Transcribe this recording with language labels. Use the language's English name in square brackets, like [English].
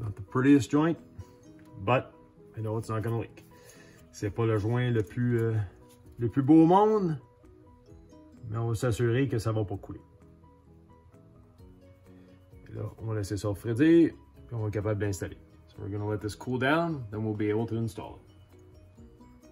[English] Prettiest joint, but I know it's not gonna leak. [French] C'est pas le joint le plus beau au monde, mais on va s'assurer que ça va pas couler. Et là, on va laisser ça refroidir, puis on va être capable d'installer. [English] So we're gonna let this cool down, then we'll be able to install it.